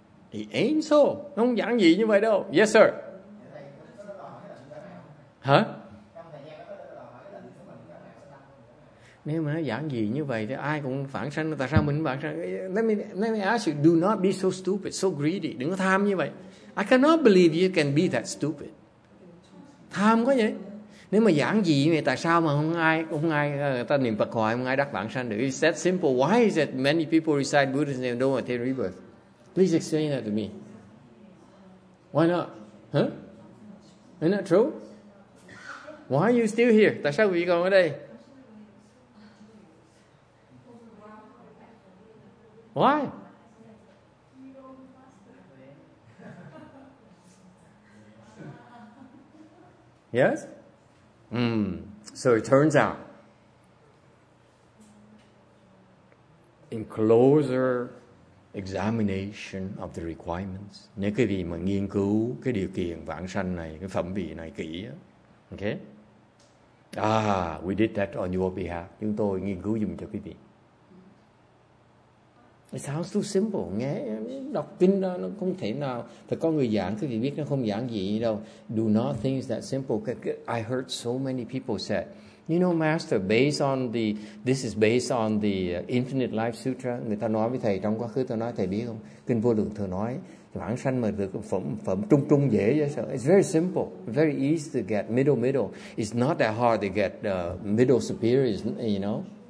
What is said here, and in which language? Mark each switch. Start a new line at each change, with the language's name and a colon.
English: It ain't so.
Vietnamese: Nó không giảng gì như vậy đâu.
English: Yes, sir. Hả?
Vietnamese: Nếu mà nó giảng gì như vậy thì ai cũng phản sanh. Tại sao mình phản sanh?
English: Let me ask you, do not be so stupid, so greedy.
Vietnamese: Đừng có tham như vậy.
English: I cannot believe you can be that stupid.
Vietnamese: Tham quá vậy. Nếu mà giảng gì vậy, tại sao mà không ai người ta niệm Phật hoài, không ai đắc vãng sanh được?
English: It's that simple. Why is it many people recite Buddha's name and don't want to take rebirth? Please explain that to me. Why not? Huh? Isn't that true? Why are you still here?
Vietnamese: Tại sao quý vị còn ở đây?
English: Why? Yes? So it turns out, in closer examination of the requirements,
Vietnamese: nếu quý vị mà nghiên cứu cái điều kiện vãng sanh này, cái phẩm vị này kỹ, okay?
English: We did that on your behalf.
Vietnamese: Chúng tôi nghiên cứu giùm cho quý vị.
English: It sounds too simple.
Vietnamese: Nghe đọc kinh đó, nó không thể nào. Thật có người giảng, quý vị biết nó không giảng gì đâu.
English: Do not think it's that simple. I heard so many people said, you know, Master, this is based on the Infinite Life Sutra.
Vietnamese: Người ta nói với thầy trong quá khứ, tôi nói thầy biết không? Kinh Vô Lượng Thừa nói, vãng sanh mà được phẩm trung trung dễ vậy sao?
English: It's very simple, very easy to get middle. It's not that hard to get middle superior, you know.